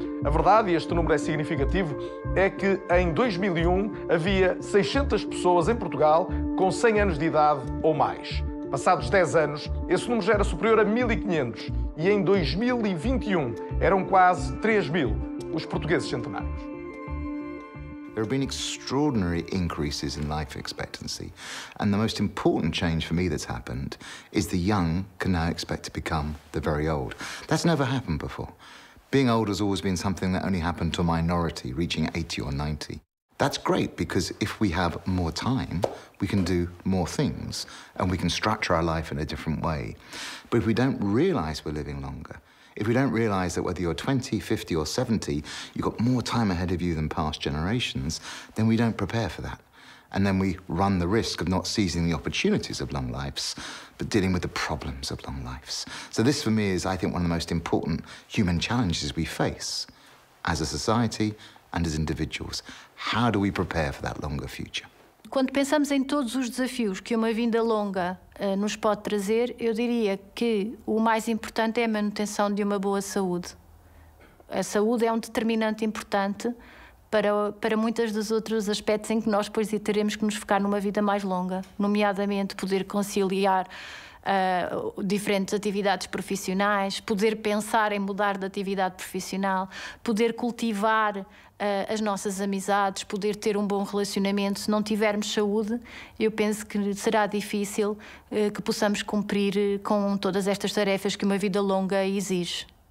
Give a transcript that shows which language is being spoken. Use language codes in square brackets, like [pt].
[pt] A verdade, e este número é significativo, é que em 2001 havia 600 pessoas em Portugal com 100 anos de idade ou mais. Passados 10 anos, esse número já era superior a 1.500 e em 2021 eram quase 3.000 os portugueses centenários. [en] There have been extraordinary increases in life expectancy, and the most important change for me that's happened is the young can now expect to become the very old. That's never happened before. Being old has always been something that only happened to a minority, reaching 80 or 90. That's great, because if we have more time, we can do more things, and we can structure our life in a different way. But if we don't realize we're living longer, if we don't realize that whether you're 20, 50, or 70, you've got more time ahead of you than past generations, then we don't prepare for that. And then we run the risk of not seizing the opportunities of long lives, but dealing with the problems of long lives. So this for me is, I think, one of the most important human challenges we face as a society and as individuals. How do we prepare for that longer future? [pt] Quando pensamos em todos os desafios que uma vida longa nos pode trazer, eu diria que o mais importante é a manutenção de uma boa saúde. A saúde é um determinante importante para muitas dos outros aspectos em que nós, pois, teremos que nos focar numa vida mais longa, nomeadamente poder conciliar diferentes atividades profissionais, poder pensar em mudar de atividade profissional, poder cultivar as nossas amizades, poder ter um bom relacionamento. Se não tivermos saúde, eu penso que será difícil que possamos cumprir com todas estas tarefas que uma vida longa exige.